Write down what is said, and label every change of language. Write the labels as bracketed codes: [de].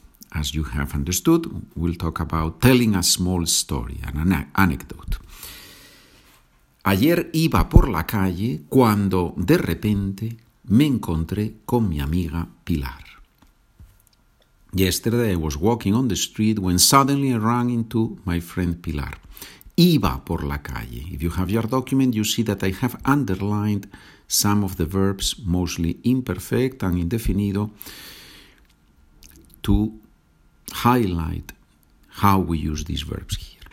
[en] As you have understood, we'll talk about telling a small story, an anecdote. [es] Ayer iba por la calle cuando de repente me encontré con mi amiga Pilar. [en] Yesterday I was walking on the street when suddenly I ran into my friend Pilar. [es] Iba por la calle. [en] If you have your document, you see that I have underlined some of the verbs, mostly imperfect and indefinido, to highlight how we use these verbs here.